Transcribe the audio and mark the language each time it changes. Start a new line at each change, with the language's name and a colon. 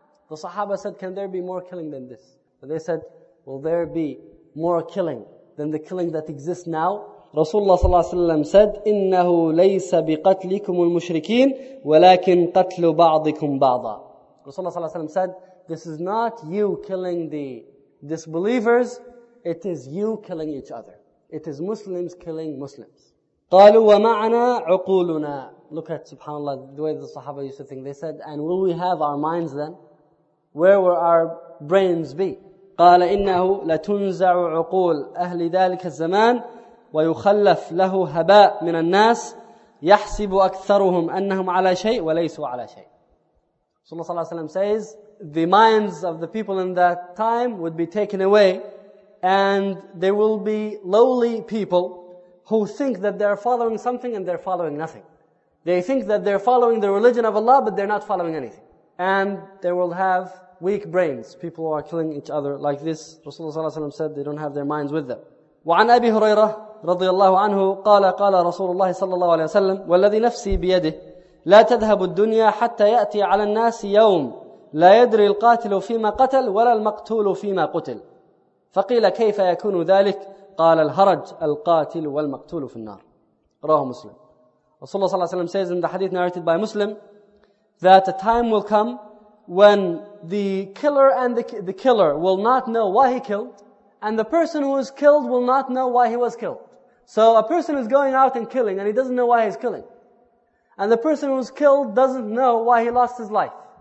English: The Sahaba said, can there be more killing than this? But they said, will there be more killing than the killing that exists now?
Arabic: Rasulullah sallallahu alayhi wa sallam said, إِنَّهُ لَيْسَ بِقَتْلِكُمُ الْمُشْرِكِينَ وَلَكِنْ قَتْلُ بَعْضِكُمْ بَعْضًا.
English: Rasulullah sallallahu alayhi wa sallam said, this is not you killing the disbelievers, it is you killing each other. It is Muslims killing Muslims.
Arabic: قَالُوا وَمَعْنَا عُقُولُنَا.
English: Look at, subhanAllah, the way the Sahaba used to think. They said, and will we have our minds then? Where will our brains be?
Arabic: قَالَ إِنَّهُ لَتُنْزَعُ عُقُولَ أَهْلِ ذَلِكَ الزَّمَانِ وَيُخَلَّفْ لَهُ هَبَاءٌ مِنَ النَّاسِ يَحْسِبُ أَكْثَرُهُمْ أَنَّهُمْ عَلَى شَيْءٍ وَلَيْسُوا عَلَى شَيْءٍ.
English: Rasulullah sallallahu alayhi wa sallam says, the minds of the people in that time would be taken away, and there will be lowly people who think that they're following something and they're following nothing. They think that they're following the religion of Allah, but they're not following anything. And they will have weak brains. People who are killing each other like this, Rasulullah sallallahu alayhi wa sallam said, they don't have their minds with them.
Arabic: وعن أبي هريرة رضي الله عنه قال قال رسول الله صلى الله عليه وسلم والذي نفسي بيده لا تذهب الدنيا حتى يأتي على الناس يوم لا يدري القاتل فيما قتل ولا المقتول فيما قتل فقيل كيف يكون ذلك قال الهرج القاتل والمقتول في النار رواه مسلم.
English: رسول الله صلى الله عليه وسلم says in the hadith narrated by Muslim that a time will come when the killer and the killer will not know why he killed, and the person who is killed will not know why he was killed. So a person is going out and killing and he doesn't know why he's killing. And the person who is killed doesn't know why he lost his life.